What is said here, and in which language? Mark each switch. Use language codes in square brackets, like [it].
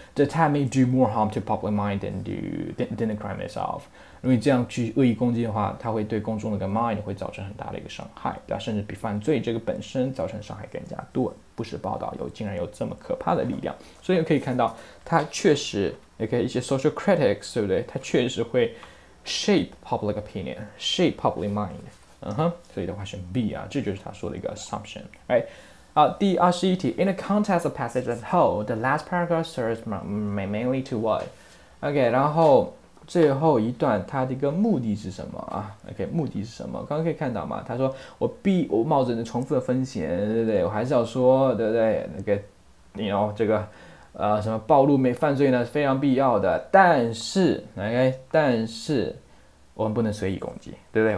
[en] The attack may do more harm to public mind than the crime itself。 [zh] 如果你这样去恶意攻击的话，它会对公众的 mind 会造成很大的一个伤害，对吧？甚至比犯罪这个本身造成伤害更加多。不实报道竟然有这么可怕的力量，所以可以看到，它确实 ，OK， 一些 social critics， 对不对？它确实会 shape public opinion， shape public mind。所以的话选 B 啊，这就是他说的一个 assumption， right？ [en] 第21题，In the context of passage as whole, the last paragraph serves mainly to what? [zh] OK， 然后最后一段它的一个目的是什么啊 ？OK， 目的是什么？刚刚可以看到嘛，他说我冒着重复的风险，对不对？我还是要说，对不对？那个，你哦，这个，什么暴露没犯罪呢？非常必要的，但是 OK， 但是我们不能随意攻击，对不对？